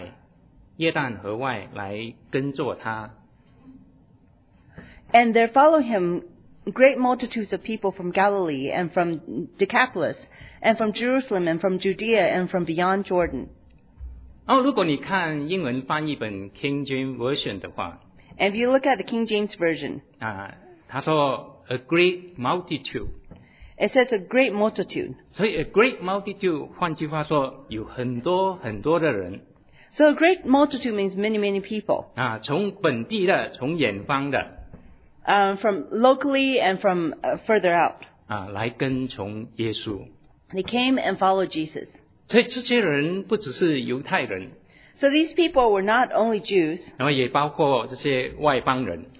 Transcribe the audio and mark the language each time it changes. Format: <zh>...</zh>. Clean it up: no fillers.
<zh>当下有许多人从加利利、底加波利、耶路撒冷、犹太、约旦河外来跟着他。</zh> <en>And there followed him great multitudes of people from Galilee and from Decapolis and from Jerusalem and from Judea and from beyond Jordan.</en> <zh>Oh, 如果你看英文翻译本 King James Version的话,</zh> <en>and if you look at the King James Version,</en> <zh>他说</zh> <en>a great multitude. It says a great multitude.</en> <zh>所以</zh> <en>a great multitude,</en> <zh>换句话说, 有很多很多的人。</zh> <en>So a great multitude means many, many people.</en> <zh>从本地的, 从远方的,</zh> <en>From locally and from further out.</en> <zh>来跟从耶稣。</zh> <en>They came and followed Jesus.</en> <zh>所以这些人不只是犹太人。</zh> <en>So these people were not only Jews.</en> <zh>然后也包括这些外邦人。</zh>